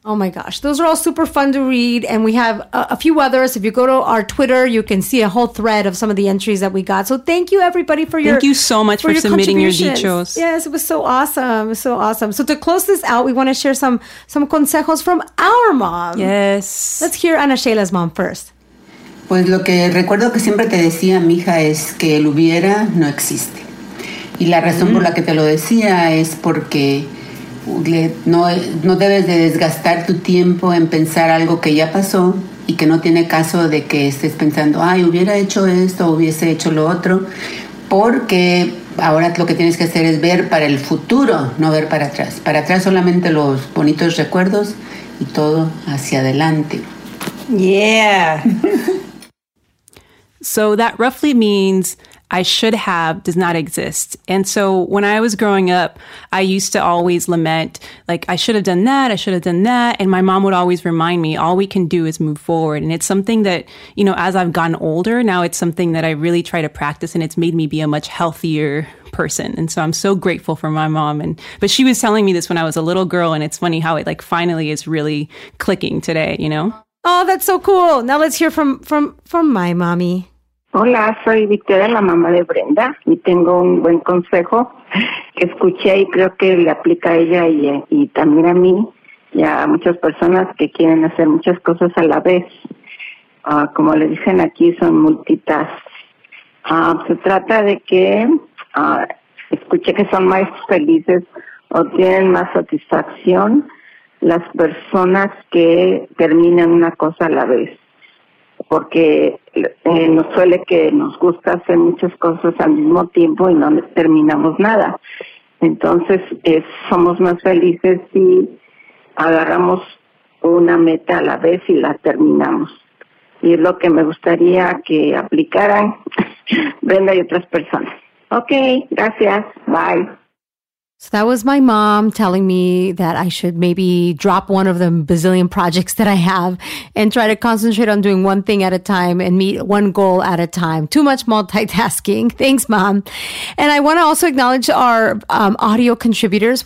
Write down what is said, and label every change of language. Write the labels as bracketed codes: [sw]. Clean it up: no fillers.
[en] Oh my gosh. Those are all super fun to read. And we have a few others. If you go to our Twitter, you can see a whole thread of some of the entries that we got. So thank you everybody for submitting your dichos. Yes, it was so awesome. So awesome. So to close this out, we want to share some consejos from our mom. Yes. Let's hear Ana Sheila's mom first. [es] Pues lo que recuerdo que siempre te decía, mija, es que el hubiera no existe. Y la razón por la que te lo decía es porque no debes de desgastar tu tiempo en pensar algo que ya pasó y que no tiene caso de que estés pensando, ay, hubiera hecho esto, hubiese hecho lo otro, porque ahora lo que tienes que hacer es ver para el futuro, no ver para atrás. Para atrás solamente los bonitos recuerdos y todo hacia adelante. [en] Yeah. So that roughly means I should have does not exist. And so when I was growing up, I used to always lament, like, I should have done that, I should have done that. And my mom would always remind me, all we can do is move forward. And it's something that, you know, as I've gotten older, now it's something that I really try to practice, and it's made me be a much healthier person. And so I'm so grateful for my mom. But she was telling me this when I was a little girl, and it's funny how it, like, finally is really clicking today, you know? Oh, that's so cool. Now let's hear from my mommy. [es] Hola, soy Victoria, la mamá de Brenda, y tengo un buen consejo que escuché y creo que le aplica a ella y también a mí y a muchas personas que quieren hacer muchas cosas a la vez. Como le dicen aquí, son multitask. Se trata de que escuché que son más felices o tienen más satisfacción las personas que terminan una cosa a la vez. Porque nos suele que nos gusta hacer muchas cosas al mismo tiempo y no terminamos nada. Entonces, somos más felices si agarramos una meta a la vez y la terminamos. Y es lo que me gustaría que aplicaran Brenda y otras personas. Okay, gracias. Bye. [en] So that was my mom telling me that I should maybe drop one of the bazillion projects that I have and try to concentrate on doing one thing at a time and meet one goal at a time. Too much multitasking. Thanks, mom. And I want to also acknowledge our audio contributors.